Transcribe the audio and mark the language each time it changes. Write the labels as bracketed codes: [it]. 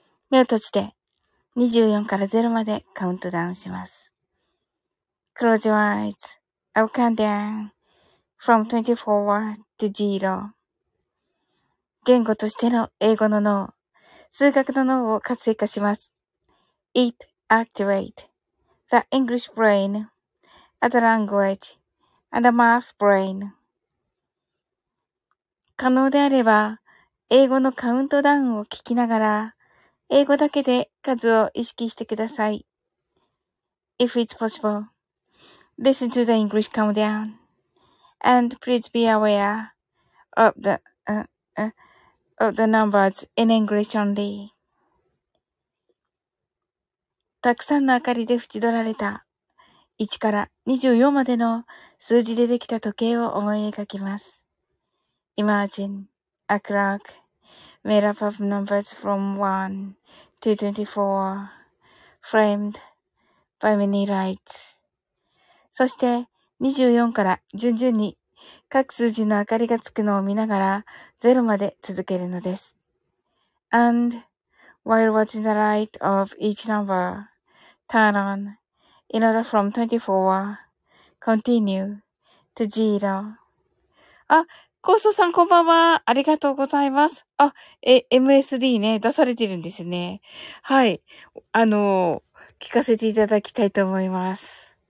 [ja] 目を閉じて24から0までカウントダウンします。 [en] Close your eyes. I'll count down from 24 to 0. [ja] 言語としての英語の脳、数学の脳を活性化します。 [en] It activates the English brain, as a language, and the math brain. [ja] 可能であれば、英語のカウントダウンを聞きながら、英語だけで数を意識してください。 [en] If it's possible, listen to the English countdown, and please be aware of the, of the numbers in English only. [ja] たくさんの明かりで縁取られた1から24までの数字でできた時計を思い描きます。 [en] Imagine a clock made up of numbers from 1 to 24 framed by many lights. [ja] そして24から順々に各数字の明かりがつくのを見ながら0まで続けるのです。 [en] And while watching the light of each number turn on in order from 24, continue to 0. [ja] あ、コウソさんこんばんは。ありがとうございます。あ、MSD ね、出されてるんですね。はい。聞かせていただきたいと思います。